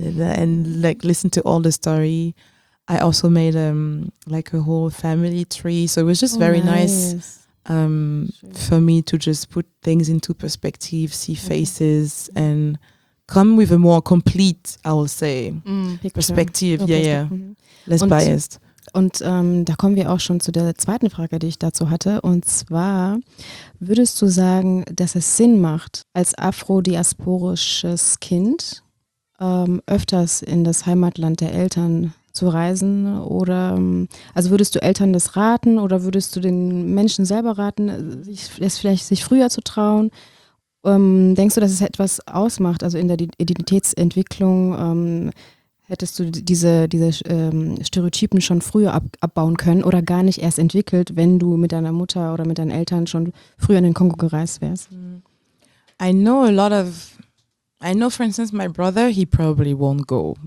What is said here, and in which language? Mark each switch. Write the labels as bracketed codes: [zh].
[en] And like, listen to all the story. I also made like a whole family tree. So it was just very nice for me to just put things into perspective, see faces and come with a more complete, I will say, perspective. Less biased. [de] Und da kommen wir auch schon zu der zweiten Frage, die ich dazu hatte. Und zwar, würdest du sagen, dass es Sinn macht, als afrodiasporisches Kind öfters in das Heimatland der Eltern zu reisen? Oder also würdest du Eltern das raten oder würdest du den Menschen selber raten, sich vielleicht früher zu trauen? Denkst du, dass es etwas ausmacht, also in der Identitätsentwicklung, hättest du diese Stereotypen schon früher abbauen können oder gar nicht erst entwickelt, wenn du mit deiner Mutter oder mit deinen Eltern schon früher in den Kongo gereist wärst? [en] I know, for instance, my brother, he probably won't go.